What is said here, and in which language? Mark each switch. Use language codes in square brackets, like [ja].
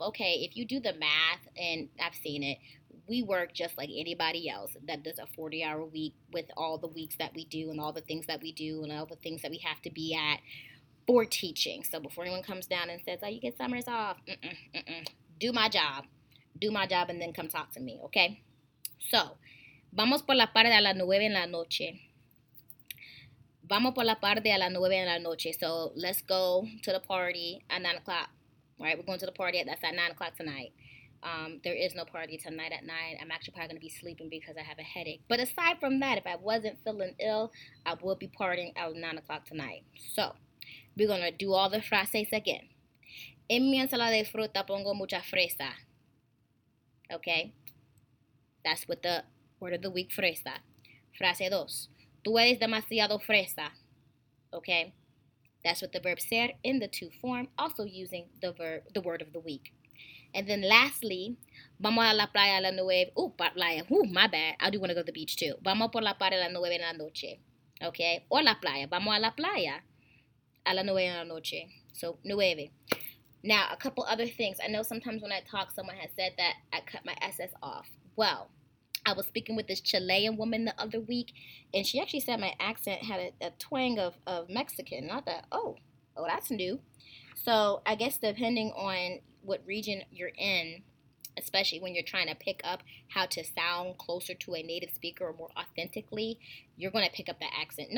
[en] Okay, if you do the math, and I've seen it, we work just like anybody else that does a 40-hour week with all the weeks that we do and all the things that we do and all the things that we have to be at for teaching. So, before anyone comes down and says, oh, you get summers off, do my job. Do my job and then come talk to me, okay? [es] So, vamos por la tarde a las 9 en la noche. Vamos por la tarde a las 9 en la noche. [en] So, let's go to the party at 9 o'clock, right? We're going to the party. That's at 9 o'clock tonight. There is no party tonight at 9. I'm actually probably going to be sleeping because I have a headache. But aside from that, if I wasn't feeling ill, I would be partying at 9 o'clock tonight. So, we're going to do all the frases again. [es] En mi ensalada de fruta pongo mucha fresa. [en] Okay, that's what the word of the week, fresa. [es] Frase dos, tú eres demasiado fresa. [en] Okay, that's what the verb ser in the to form, also using the verb, the word of the week. And then lastly, [es] vamos a la playa a la nueve. [en] Ooh, playa. Ooh, my bad. I do want to go to the beach too. [es] Vamos por la playa a la nueve en la noche. Okay, o la playa. Vamos a la playa a la nueve en la noche. [en] So, nueve. Now, a couple other things. I know sometimes when I talk, someone has said that I cut my SS off. Well, I was speaking with this Chilean woman the other week, and she actually said my accent had a twang of Mexican. And I thought, oh, that's new. So I guess depending on what region you're in, especially when you're trying to pick up how to sound closer to a native speaker or more authentically, you're going to pick up the accent.